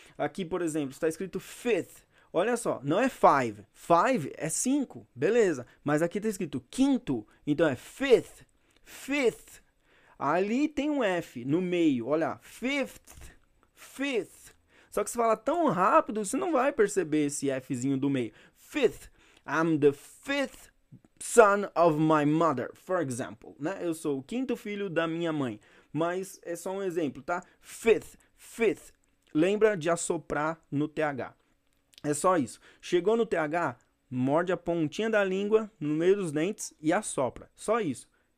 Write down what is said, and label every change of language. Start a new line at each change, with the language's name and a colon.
Portuguese: Aqui, por exemplo, está escrito fifth. Olha só, não é five. Five é cinco, beleza. Mas aqui está escrito quinto, então é fifth. Fifth, ali tem um F no meio, olha, fifth, fifth. Só que você fala tão rápido, você não vai perceber esse Fzinho do meio.
English: Fifth, I'm the fifth son of my mother, for example, né?
Portuguese: Eu sou o quinto filho da minha mãe, mas é só um exemplo, tá? Fifth, fifth. Lembra de assoprar no TH. É só isso. Chegou no TH, morde a pontinha da língua no meio dos dentes e assopra. Só isso.